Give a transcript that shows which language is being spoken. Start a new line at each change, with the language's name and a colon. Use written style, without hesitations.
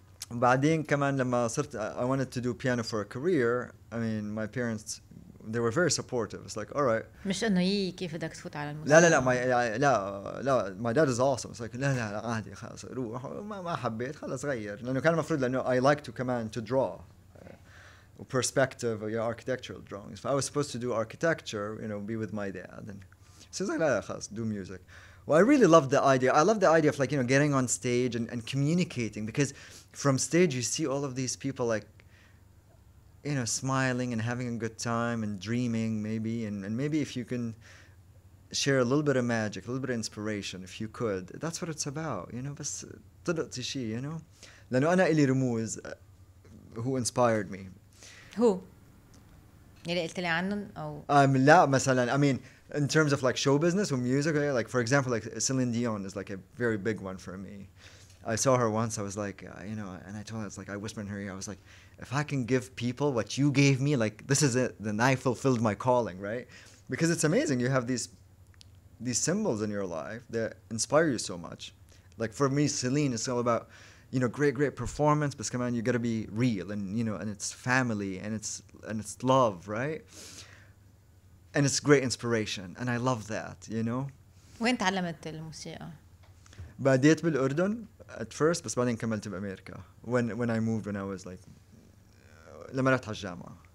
Arabic: بعدين كمان لما صرت
English: I wanted to do piano for a career, I mean my parents they were very supportive. It's like all right.
Arabic: مش انه يي كيف بدك تفوت على الموسيقى. لا لا لا
English: my dad is awesome. It's like
Arabic: لا لا لا عادي خلاص روح، ما حبيت خلاص غير، لانه كان المفروض لانه
English: I like to command to draw perspective your architectural drawings. If I was supposed to do architecture, you know, be with my dad. So it's like
Arabic: لا خلاص
English: do music. Well, I really love the idea. I love the idea of like, you know, getting on stage and communicating, because from stage you see all of these people like, you know, smiling and having a good time and dreaming maybe. And maybe if you can share a little bit of magic, a little bit of inspiration, if you could, that's what it's about, you know.
Arabic: بس طلق تشي,
English: you know.
Arabic: لأنه أنا إلي رموز
English: who inspired me. Who?
Arabic: يلي قلت لي عنهم أو؟ لا مثلا,
English: I mean, in terms of like show business or music, like for example, like Celine Dion is like a very big one for me. I saw her once, I was like, you know, and I told her, it's like, I whispered in her ear, I was like, if I can give people what you gave me, like, this is it, then I fulfilled my calling, right? Because it's amazing, you have these symbols in your life that inspire you so much. Like for me, Celine is all about, you know, great, great performance, but come on, you gotta be real, and you know, and it's family, and it's love, right? And it's great inspiration, and I love that, you know?
Arabic: وين تعلمت الموسيقى؟ بديت بالأردن
English: at first,
Arabic: بس بعدين كملت بأمريكا.
English: When I moved, when I was like,
Arabic: لما رحت على الجامعة.